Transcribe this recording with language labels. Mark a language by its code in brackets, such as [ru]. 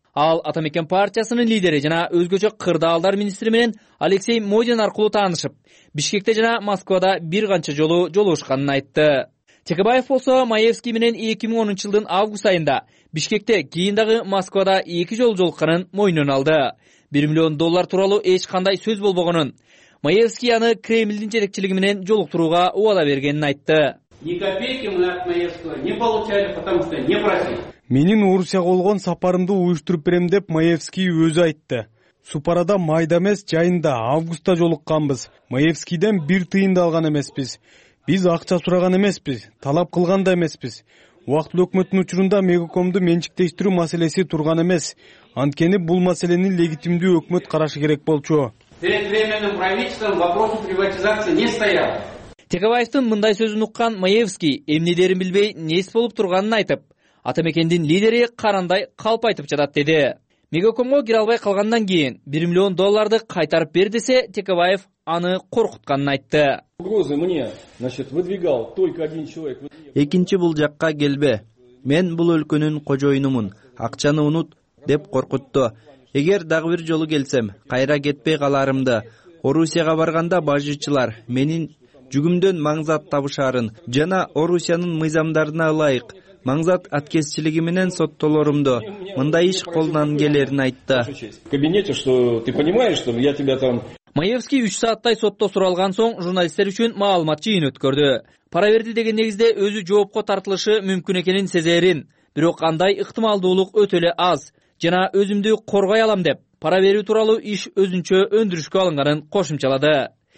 [ky] Ал Атамекен партиясынын лидери жана өзгөчө кырдаалдар министри менен Алексей Модин аркылуу таанышып, Бишкекте жана Москвада бир канча жолу жолугушканын айтты. Текебаев болсо Маевский менен 2010 жылдын август айында Бишкекте, кийин дагы Москвада эки жолу жолукканын мойнуна алды. 1 миллион доллар тууралуу эч кандай сөз болбогонун, Маевский аны Кремлдин жетекчилиги менен жолуктурууга убада бергенин айтты. [ru] Ни копейки мы от Маевского не получали, потому что не просили. [ky] Менин Орусияга болгон сапарымды уюштуруп берем деп Маевский өзү айтты. Супарада майда эмес, жайында августта жолукканбыз. Маевскийден бир тыйын да алган эмеспиз. Биз акча сураган эмеспиз, талап кылган да эмеспиз. Убактылуу өкмөттүн учурунда Мегакомду менчиктештирүү маселеси турган эмес. Анткени бул маселени легитимдүү өкмөт карашы керек болчу. [ru] Перед временным правительством вопрос о приватизации не стоял. [ky] Текебаевдин мындай сөзүн уккан Маевский эмнелерин билбей нес болуп турганын айтып, Атамекендин лидери карандай калп айтып жатат деди. Мегакомго кире албай калгандан кийин 1 миллион долларды кайтарып бер десе, Текебаев аны коркутканын айтты. [ru] Угрозы мне, значит, выдвигал только один человек. [ky] Экинчи бул жакка келбе. Мен бул өлкөнүн кожоюнумун. Акчаны унут деп коркутту. Эгер дагы бир жолу келсем, кайра кетпей каларымды. Орусияга барганда бажычылар менин жүгүмдөн маңзат табышарын жана Орусиянын мыйзамдарына ылайык маңзат аткезчилиги менен соттолорумду мындай иш колунан келерин айтты. [ru] Кабинете, что ты понимаешь, что я тебя там. [ky] Маевский 3 сааттай сотто суралган соң журналисттер үчүн маалымат жыйын өткөрдү. Пара берди деген негизде өзү жоопко тартылышы мүмкүн экенин сезерин, бирок андай ыктымалдуулук өтө эле аз жана өзүмдү коргой алам деп пара берүү тууралуу иш өзүнчө өндүрүшкө алынганын кошумчалады.